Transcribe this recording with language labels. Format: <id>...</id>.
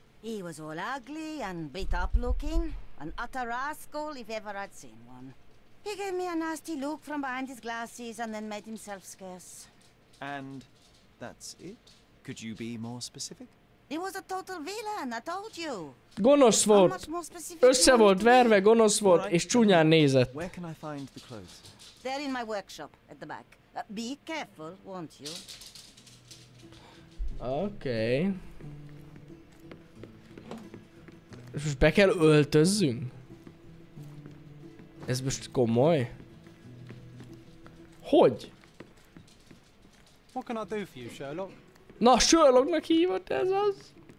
<en>He was all ugly and beat up looking. An utter rascal if ever I'd seen one. He gave me a nasty look from behind his glasses and then made himself scarce. And that's it? Could you be more specific? He was a total villain, I told you.</en> <hu>Gonosz volt. Össze volt verve, gonosz volt, és csúnyán nézett.</hu> <en>Where can I find the clothes? They're in my workshop, at the back. Be careful, won't you? Okay.</en> <hu>Most be kell öltözzünk? Ez most komoly? Hogy?</hu> <en>What can I do for you, Sherlock?</en> <hu>Na, Sherlocknak hívott ez az?</hu>